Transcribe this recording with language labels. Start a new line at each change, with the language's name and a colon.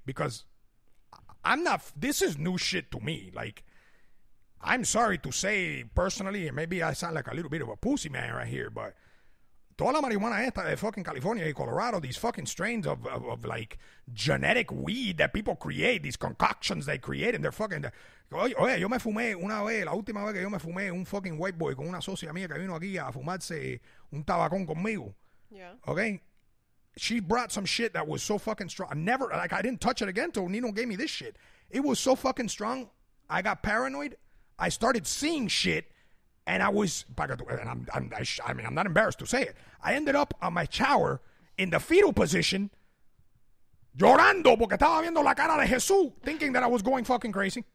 English: Because I'm not, this is new shit to me. Like, I'm sorry to say, personally, and maybe I sound like a little bit of a pussy man right here, but
Spanish: Toda la marihuana esta de fucking California y Colorado,
English: these fucking strains of like genetic weed that people create, these concoctions they create, and they're fucking...
Spanish: Oye, yo me fumé una vez, la última vez que yo me fumé un fucking white boy con una socia mía que vino aquí a fumarse un tabacón conmigo.
English: Yeah. Okay? She brought some shit that was so fucking strong. I didn't touch it again until Nino gave me this shit. It was so fucking strong, I got paranoid. I started seeing shit, and I was... I'm not embarrassed to say it. I ended up on my shower in the fetal position,
Spanish: llorando porque estaba viendo la cara de Jesús,
English: thinking that I was going fucking crazy.